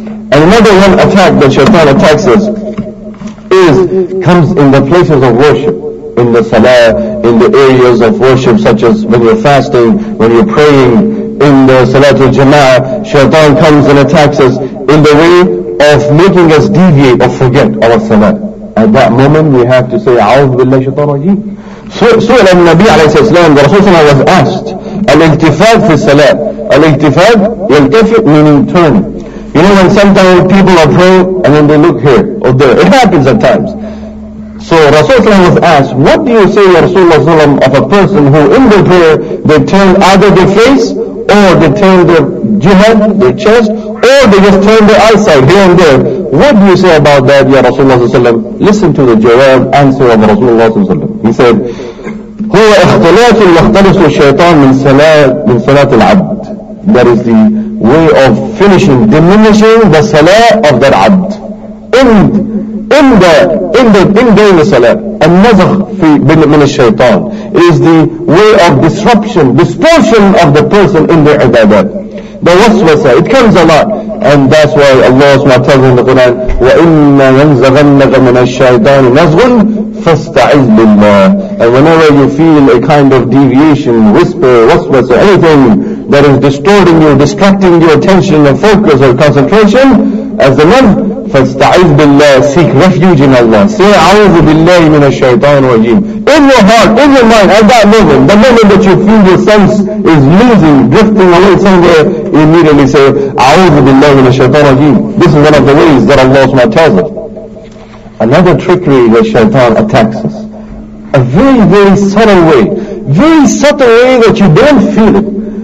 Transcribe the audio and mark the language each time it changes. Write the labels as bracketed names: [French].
[English] And another one attack that shaitan attacks us comes in the places of worship, in the salah, in the areas of worship, such as when you're fasting, when you're praying, in the salatul jama'ah, shaitan comes and attacks us in the way of making us deviate or forget our salah. At that moment, we have to say, [Arabic] "A'udhu billahi shaitan rajim." سئل النبي عليه الصلاة والسلام ورسول الله [English] was asked [Arabic] الالتفات في الصلاة الالتفات يلتفت [English] meaning turn. You know when sometimes people are praying and then they look here or there. It happens at times. So Rasulullah Sallallahu Alaihi Wasallam was asked, what do you say, Rasulullah Sallallahu Alaihi Wasallam, of a person who in the prayer they turn either their face or they turn their jihad, their chest, or they just turn their eyesight here and there. What do you say about that, Ya Rasulullah Sallallahu Alaihi Wasallam? Listen to the jawab answer of Rasulullah Sallallahu Alaihi Wasallam. He said, [Arabic] هو يختلط الشيطان من صلاة العبد. [English] That is the way of finishing, diminishing the salah of that abd. In the salah, al-nazakh fi min al-shaytan is the way of distortion of the person in the ibadat. The waswasa, it comes a lot. And that's why Allah SWT tells in the Quran, [Arabic] وَإِنَّ يَنْزَغَنَّكَ مِنَ الشَّيْطَانِ نَزْغٌ فَاسْتَعِذْ بِاللَّهِ. [English] And whenever you feel a kind of deviation, whisper, waswasa, anything that is distorting you, distracting your attention and focus or concentration, as the man, [Arabic] فَاسْتَعِذْ بِاللَّهِ, [English] seek refuge in Allah. Say, [Arabic] أَعُوذُ بِاللَّهِ مِنَ الشَّيْطَانِ الرَّجِيمِ. [English] In your heart, in your mind, at that moment, the moment that you feel your sense is losing, drifting away somewhere, you immediately say, [Arabic] أَعُوذُ بِاللَّهِ مِنَ الشَّيْطَانِ الرَّجِيمِ. [English] This is one of the ways that Allah SWT tells us. Another trickery that shaitan attacks us. A very, very subtle way. Very subtle way that you don't feel it.